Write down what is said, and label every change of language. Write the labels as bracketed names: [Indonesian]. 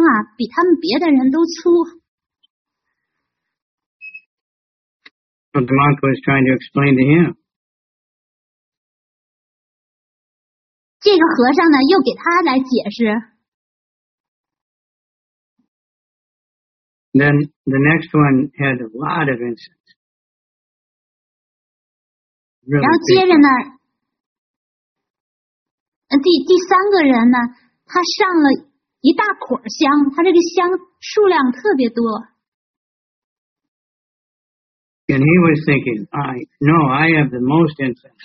[English] this. [Chinese] 然后这个第二个人呢，就显摆在自己说啊，不，我的那个功劳最大，因为我上的香啊，比他们别的人都粗。 [English] So the monk was trying to explain to him. [Chinese] 这个和尚呢，又给他来解释。 [English] Then the next one had a lot of incense. Really [Chinese] 然后接着呢，第三个人呢，他上了一大捆香，他这个香数量特别多。 [English] And he was thinking, I have the most incense.